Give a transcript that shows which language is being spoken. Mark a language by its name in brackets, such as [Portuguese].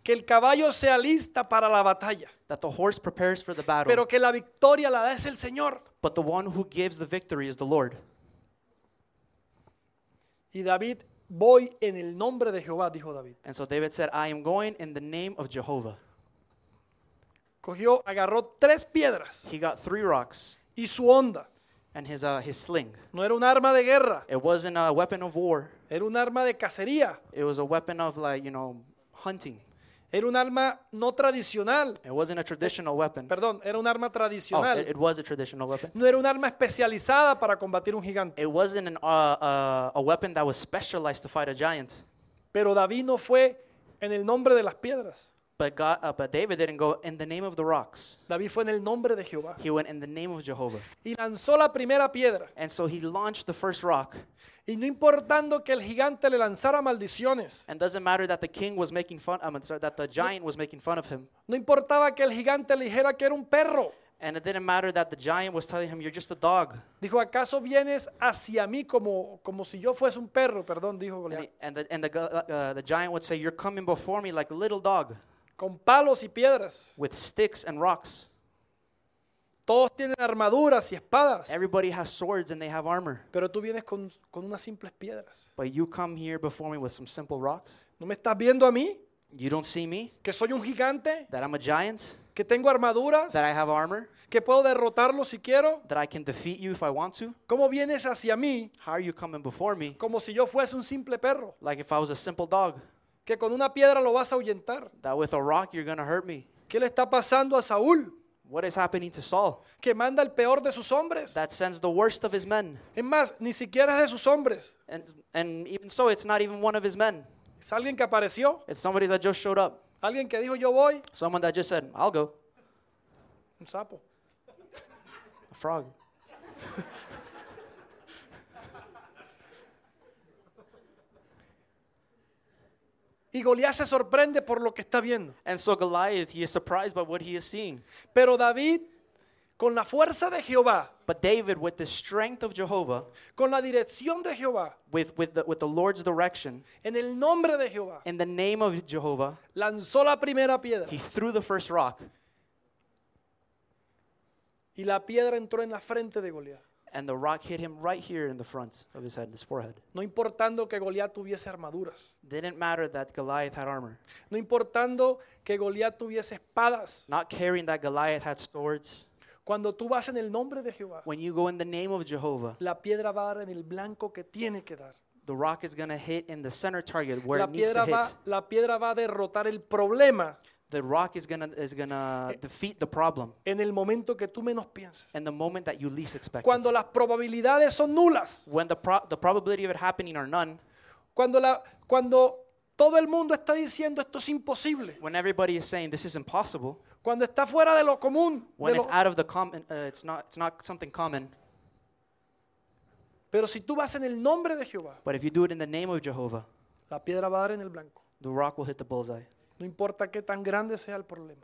[Spanish] que el caballo se alista para la batalla. [English] That the horse prepares for the battle. [Spanish] Pero que la victoria la da es el Señor. [English] But the one who gives the victory is the Lord. [Spanish] Y David, voy en el nombre de Jehová, dijo David. [English] And so David said, I am going in the name of Jehovah. [Spanish] Cogió, agarró tres piedras. [English] He got three rocks. [Spanish] Y su onda. [English] And his sling. [Spanish] No era un arma de guerra. [English] It wasn't a weapon of war. [Spanish] Era un arma de cacería. [English] It was a weapon of, like, you know, hunting. [Spanish] Era un arma no tradicional. [English] It wasn't a traditional weapon. [Spanish] Perdón, era un arma tradicional. [English] Oh, it was a traditional weapon. [Spanish] No era un arma especializada para combatir un gigante. [English] It wasn't a weapon that was specialized to fight a giant. [Spanish] Pero David no fue en el nombre de las piedras. [English] But David didn't go in the name of the rocks. [Spanish] David fue en el nombre de Jehová. [English] He went in the name of Jehovah. [Spanish] Y lanzó la primera piedra. [English] And so he launched the first rock. [Spanish] Y no importando que el gigante le lanzara maldiciones. [English] And doesn't matter that the king was making fun, that the giant was making fun of him. [Spanish] No importaba que el gigante le dijera que era un perro. [English] And it didn't matter that the giant was telling him, you're just a dog. [Spanish] Dijo, ¿acaso vienes hacia mí como si yo fuese un perro? Perdón, dijo Goliat. [English] And the giant would say, you're coming before me like a little dog. [Spanish] Con palos y piedras. [English] With sticks and rocks. [Spanish] Todos tienen armaduras y espadas. [English] Everybody has swords and they have armor. [Spanish] Pero tú vienes con unas simples piedras. [English] But you come here before me with some simple rocks. [Spanish] ¿No me estás viendo a mí? [English] You don't see me. [Spanish] Que soy un gigante. [English] That I'm a giant. [Spanish] Que tengo armaduras. [English] That I have armor. [Spanish] Que puedo derrotarlo si quiero. [English] That I can defeat you if I want to. [Spanish] ¿Cómo vienes hacia mí? [English] How are you coming before me? [Spanish] Como si yo fuese un simple perro. [English] Like if I was a simple dog. [Spanish] Que con una piedra lo vas a ahuyentar. [English] That with a rock you're going to hurt me. [Spanish] ¿Qué le está pasando a Saúl? [English] What is happening to Saul? [Spanish] Que manda el peor de sus hombres. [English] That sends the worst of his men. [Spanish] Es más, ni siquiera es de sus hombres. [English] And even so, it's not even one of his men. [Spanish] Es alguien que apareció. [English] It's somebody that just showed up. [Spanish] Alguien que dijo, yo voy. [English] Someone that just said, I'll go. [Spanish] Un sapo. [English] A frog. [Spanish] Y Goliat se sorprende por lo que está viendo. [English] And so Goliath, he is surprised by what he is seeing. [Spanish] Pero David, con la fuerza de Jehová. [English] But David, with the strength of Jehovah. [Spanish] Con la dirección de Jehová. [English] With the Lord's direction. [Spanish] En el nombre de Jehová. [English] In the name of Jehovah. [Spanish] Lanzó la primera piedra. [English] He threw the first rock. [Spanish] Y la piedra entró en la frente de Goliat. [English] And the rock hit him right here in the front of his head, his forehead. [Spanish] No importando que Goliat tuviese armaduras. [English] Didn't matter that Goliath had armor. [Spanish] No importando que Goliat tuviese espadas. [English] Not caring that Goliath had swords. [Spanish] Cuando tú vas en el nombre de Jehová. [English] When you go in the name of Jehovah. [Spanish] La piedra va a dar en el blanco que tiene que dar. [English] The rock is going to hit in the center target where [Spanish] la piedra [English] it needs to hit. [Spanish] La piedra va a derrotar el problema. [English] The rock is gonna defeat the problem. [Spanish] En el momento que tú menos pienses. [English] In the moment that you least expect. [Spanish] Cuando las probabilidades son nulas. [English] When the probability of it happening are none. [Spanish] Cuando todo el mundo está diciendo esto es imposible. [English] When everybody is saying this is impossible. [Spanish] Cuando está fuera de lo común. [English] When it's out of the common, it's not something common. [Spanish] Pero si tú vas en el nombre de Jehová. [English] But if you do it in the name of Jehovah. [Spanish] La piedra va a dar en el blanco. [English] The rock will hit the bullseye. [Spanish] No importa qué tan grande sea el problema.